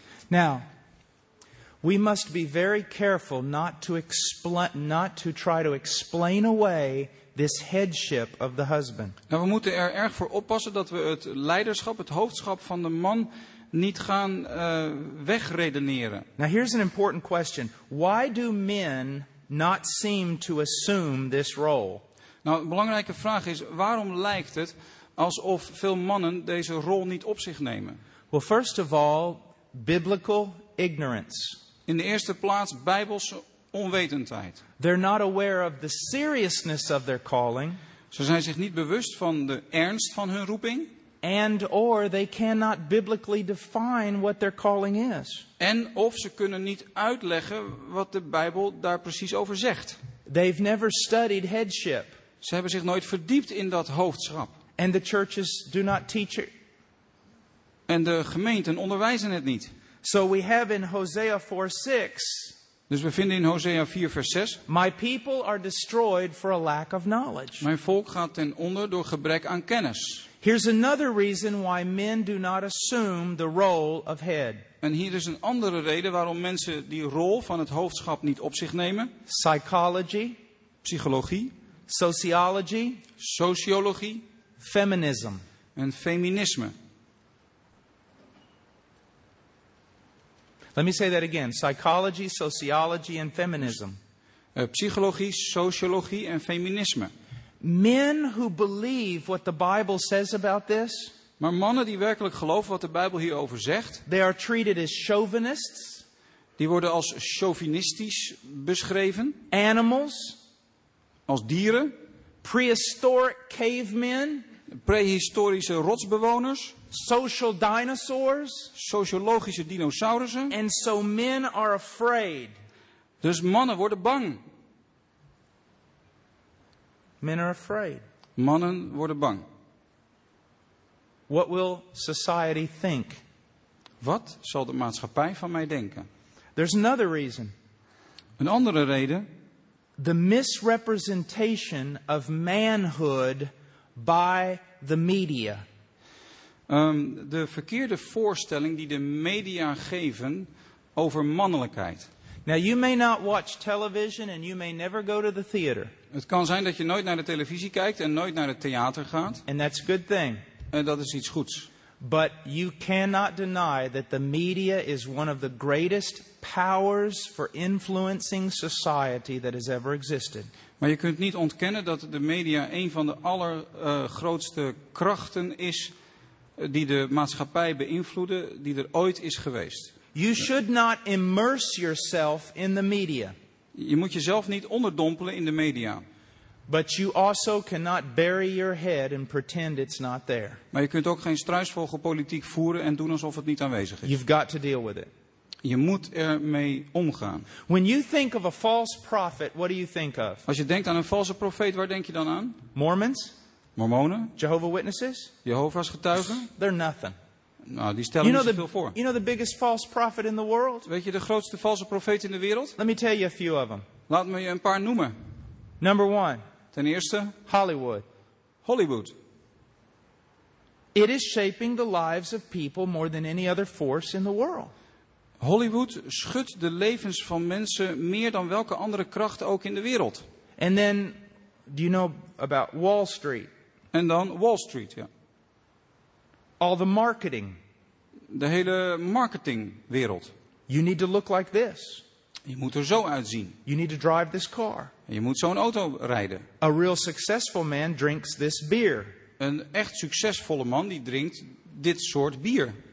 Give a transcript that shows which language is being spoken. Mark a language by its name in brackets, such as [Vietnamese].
[English] Now, we must be very careful not to try to explain away this headship of the husband. [Dutch] Nou, we moeten er erg voor oppassen dat we het leiderschap, het hoofdschap van de man niet gaan wegredeneren. [English] Now, here's an important question. Why do men not seem to assume this role? [Dutch] Nou, een belangrijke vraag is, waarom lijkt het alsof veel mannen deze rol niet op zich nemen? [English] Well, first of all, biblical ignorance. [Dutch] In de eerste plaats Bijbelse onwetendheid. [English] They're not aware of the seriousness of their calling. [Dutch] Ze zijn zich niet bewust van de ernst van hun roeping. [English] And or they cannot biblically define what their calling is. [Dutch] En of ze kunnen niet uitleggen wat de Bijbel daar precies over zegt. [English] They've never studied headship. [Dutch] Ze hebben zich nooit verdiept in dat hoofdschap. [English] And the churches do not teach it. [Dutch] En de gemeenten onderwijzen het niet. [English] So we have in Hosea 4:6. [Dutch] Dus we vinden in Hosea 4 vers 6. [English] My people are destroyed for a lack of knowledge. [Dutch] Mijn volk gaat ten onder door gebrek aan kennis. [English] Here's another reason why men do not assume the role of head. [Dutch] En hier is een andere reden waarom mensen die rol van het hoofdschap niet op zich nemen. [English] Psychology. [Dutch] Psychologie. [English] Sociology. [Dutch] Sociologie. [English] Feminism. [Dutch] En feminisme. [English] Let me say that again. Psychology, sociology and feminism. [Dutch] Psychologie, sociologie en feminisme. [English] Men who believe what the Bible says about this. [Dutch] Maar mannen die werkelijk geloven wat de Bijbel hierover zegt. [English] They are treated as chauvinists. [Dutch] Die worden als chauvinistisch beschreven. [English] Animals. [Dutch] Als dieren. [English] Prehistoric cavemen. [Dutch] Prehistorische rotsbewoners. [English] Social dinosaurs. [Dutch] Sociologische dinosaurussen. [English] And so men are afraid. [Dutch] Dus mannen worden bang. [English] Men are afraid. [Dutch] Mannen worden bang. [English] What will society think? [Dutch] Wat zal de maatschappij van mij denken? [English] There's another reason. [Dutch] Een andere reden. [English] The misrepresentation of manhood by the media. [Dutch] De verkeerde voorstelling die de media geven over mannelijkheid. [English] Now you may not watch television and you may never go to the theater. [Dutch] Het kan zijn dat je nooit naar de televisie kijkt en nooit naar het theater gaat. [English] And that's a good thing. [Dutch] En dat is iets goeds. [English] But you cannot deny that the media is one of the greatest powers for influencing society that has ever existed. [Dutch] Maar je kunt niet ontkennen dat de media een van de allergrootste krachten is die de maatschappij beïnvloeden die er ooit is geweest. [English] You should not immerse yourself in the media. [Dutch] Je moet jezelf niet onderdompelen in de media. [English] But you also cannot bury your head and pretend it's not there. [Dutch] Maar je kunt ook geen struisvogelpolitiek voeren en doen alsof het niet aanwezig is. [English] You've got to deal with it. [Dutch] Je moet ermee omgaan. [English] When you think of a false prophet, what do you think of? [Dutch] Als je denkt aan een valse profeet, waar denk je dan aan? [English] Mormons? [Dutch] Mormonen? [English] Jehovah's Witnesses? [Dutch] Jehovah's getuigen? [English] They're nothing. [Dutch] Nou, die stellen niet zoveel voor. [English] You know the biggest false prophet in the world? [Dutch] Weet je de grootste valse profeet in de wereld? [English] Let me tell you a few of them. [Dutch] Laat me je een paar noemen. [English] Number one. [Dutch] Ten eerste. [English] Hollywood. [Dutch] Hollywood. [English] It is shaping the lives of people more than any other force in the world. [Dutch] Hollywood schudt de levens van mensen meer dan welke andere kracht ook in de wereld. [English] And then, do you know about Wall Street? [Dutch] En dan Wall Street, ja. [English] All the marketing. [Dutch] De hele marketingwereld. [English] You need to look like this. [Dutch] Je moet er zo uitzien. [English] You need to drive this car. [Dutch] Je moet zo'n auto rijden. [English] A real successful man drinks this beer. [Dutch] Een echt succesvolle man die drinkt dit soort bier.